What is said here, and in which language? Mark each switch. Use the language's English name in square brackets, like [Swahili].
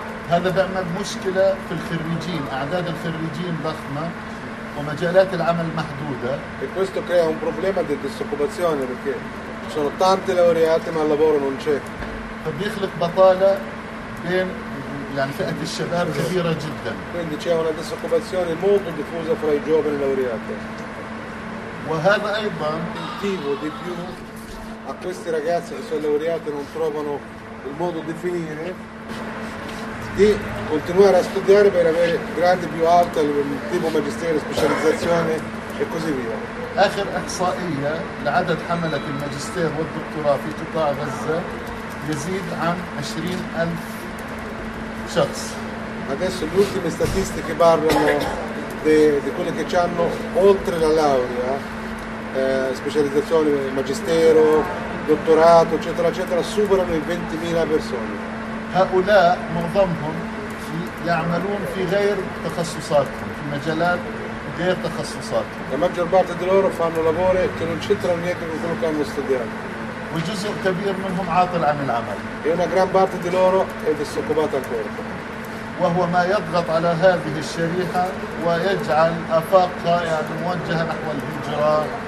[Arabic] هذا بعمل مشكلة في الخريجين، أعداد الخريجين ضخمة ومجالات العمل محدودة. [Italian] E questo crea un problema di disoccupazione perché ci sono tanti laureati ma il lavoro non c'è. [Arabic] فبيخلق بطالة بين يعني فئة الشباب كبيرة جدا. [Italian] Quindi c'è una disoccupazione molto diffusa fra i giovani laureati. [Arabic] وهذا ايضا [Italian] motivo di più a questi ragazzi che sono laureati non trovano il modo di finire di continuare a studiare per avere gradi più alti tipo magistero, specializzazione e così via. [Arabic] اخر احصائيه لعدد حملة الماجستير والدكتوراه في قطاع غزة يزيد عن 20,000 شخص. [Italian] Adesso le ultime statistiche parlano di quelli che ci hanno oltre la laurea, specializzazioni, magistero, dottorato, eccetera, eccetera, superano i 20,000 persone. [Arabic] هؤلاء معظمهم يعملون في غير تخصصاتهم، في مجالات غير تخصصاتهم. [Italian] La maggior parte di loro fanno lavori che non c'entrano niente con quello che hanno studiato. [Arabic] وجزء كبير منهم عاطل عن العمل. [Italian] E una gran parte di loro è disoccupata ancora. [Arabic] وهو ما يضغط على هذه الشريحة ويجعل آفاقها يعني موجهة نحو الهجرة.